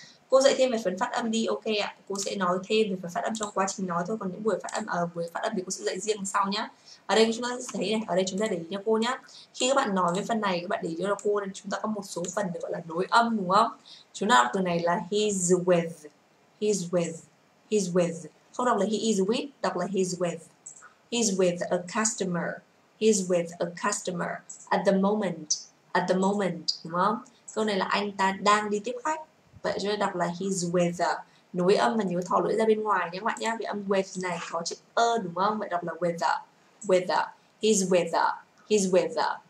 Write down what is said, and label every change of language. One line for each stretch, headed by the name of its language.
Vietnamese: Cô dạy thêm về phần phát âm đi, ok ạ. Cô sẽ nói thêm về phần phát âm trong quá trình nói thôi. Còn những buổi phát âm ở buổi phát âm thì cô sẽ dạy riêng sau nhá. Ở đây chúng ta sẽ thấy này, ở đây chúng ta để ý cho cô nhá. Khi các bạn nói với phần này, các bạn để ý cho cô, chúng ta có một số phần được gọi là nối âm đúng không? Chúng ta đọc từ này là
English: he's with, he's with, he's with.
Vietnamese: Không đọc là
English: he is with,
Vietnamese: đọc là
English: he's with. He's with a customer, he's with a customer. At the moment,
Vietnamese: đúng không? Câu này là anh ta đang đi tiếp khách. Vậy chúng ta đọc là
English: he's with.
Vietnamese: Nối âm và nhớ thò lưỡi ra bên ngoài nhé các bạn nhé. Vì âm with này có chữ ơ đúng không? Vậy đọc là
English: with. With. He's with. He's with.